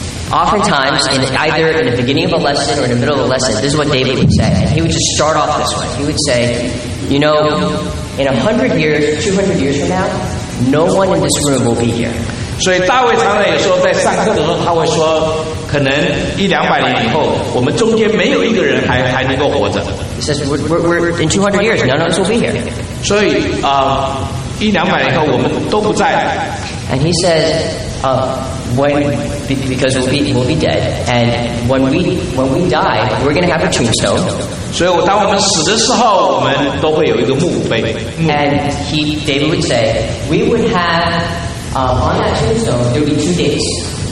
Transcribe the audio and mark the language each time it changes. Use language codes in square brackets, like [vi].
[en] Oftentimes, either in the beginning of a lesson or in the middle of a lesson, this is what David would say. He would just start off this way. He would say, you know, in 100 years, 200 years from now, no one in this room will be here. [zh] 所以大卫常常有时候在上课的时候他会说，可能一两百年以后，我们中间没有一个人还能够活着。 [en] He says, we're in 200 years, none of us will be here. [zh] 所以一两百年以后我们都不在。 [en] And he says, because we'll be dead, and when we die, we're going to have a tombstone. [zh] 所以当我们死的时候，我们都会有一个墓碑。 [en] And David would say, we would have, on that tombstone, there would be two dates.